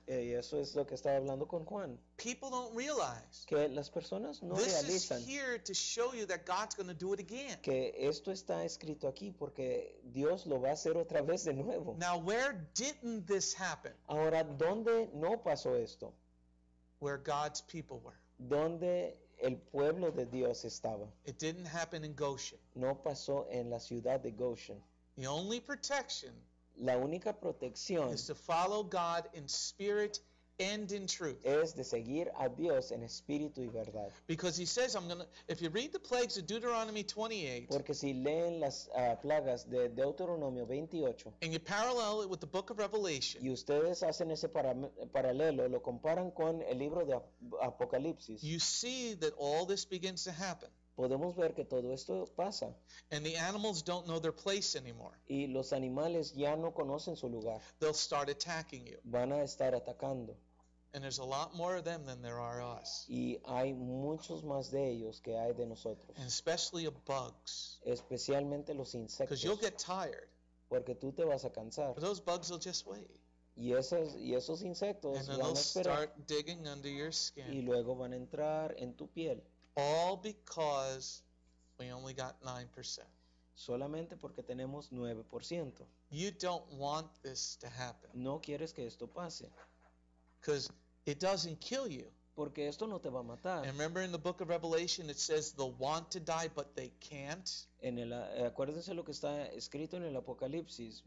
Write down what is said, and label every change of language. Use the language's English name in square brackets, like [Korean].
[Spanish] Y eso es lo que estaba hablando con Juan. [English] People don't realize. [Spanish] Que las personas no [English] this [Spanish] realizan. [English] This is here to show you that God's going to do it again. [Spanish] Que esto está escrito aquí porque Dios lo va a hacer otra vez de nuevo. [English] Now, where didn't this happen? [Spanish] Ahora, ¿dónde no pasó esto? [English] Where God's people were. [Spanish] Donde el pueblo de Dios estaba. [English] It didn't happen in Goshen. [Spanish] No pasó en la ciudad de Goshen. [English] The only protection. [Spanish] La única protección. [English] Is to follow God in spirit and in truth. [Spanish] Es de seguir a Dios en espíritu y verdad. [English] Because he says, if you read the plagues of Deuteronomy 28. [Spanish] Porque si leen las plagas de Deuteronomio 28. [English] And you parallel it with the book of Revelation. [Spanish] Y ustedes hacen ese paralelo, lo comparan con el libro de Apocalipsis. [English] You see that all this begins to happen. [Spanish] Podemos ver que todo esto pasa. [English] And the animals don't know their place anymore. [Spanish] Y los animales ya no conocen su lugar. [English] They'll start attacking you. [Spanish] Van a estar atacando. [English] And there's a lot more of them than there are us. [Spanish] Y hay muchos más de ellos que hay de nosotros. [English] And especially of bugs. [Spanish] Especialmente los insectos. [English] Because you'll get tired. [Spanish] Porque tú te vas a cansar. [English] But those bugs will just wait. [Spanish] Y esos insectos van a esperar. [English] And they'll start digging under your skin. [Spanish] Y luego van a entrar en tu piel. [English] All because we only got 9%. [Spanish] Solamente porque tenemos 9%. [English] You don't want this to happen. [Spanish] No quieres que esto pase. [English] Because it doesn't kill you. [Spanish] Porque esto no te va a matar. [English] And remember in the book of Revelation it says they'll want to die but they can't. [Spanish] Acuérdense lo que está escrito en el Apocalipsis.